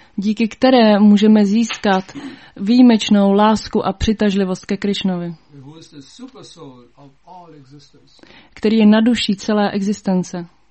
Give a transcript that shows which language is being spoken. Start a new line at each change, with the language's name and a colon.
Czech: Díky které můžeme získat výjimečnou lásku a přitažlivost ke Krišnovi,
English: who is the super soul of all existence,
Czech: který je naduší celé existence.